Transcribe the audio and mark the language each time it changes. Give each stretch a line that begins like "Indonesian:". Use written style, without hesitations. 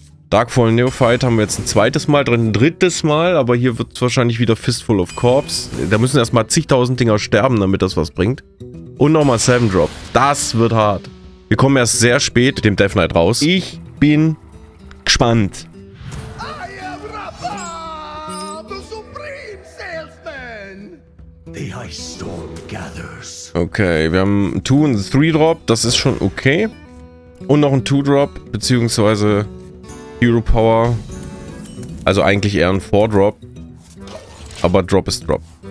German: Darkfallen Neophyte haben wir jetzt ein zweites Mal drin, ein drittes Mal, aber hier wird es wahrscheinlich wieder Fistful of Corps. Da müssen erstmal zigtausend Dinger sterben, damit das was bringt. Und nochmal 7-Drop. Das wird hart. Wir kommen erst sehr spät mit dem Death Knight raus. Ich bin gespannt.
English: I am Rafa, the Supreme Salesman. The Ice Storm gathers.
German: Okay, wir haben einen 2- und 3-Drop, das ist schon okay. Und noch ein 2-Drop, beziehungsweise Hero Power. Also eigentlich eher ein 4-Drop. Aber Drop ist Drop.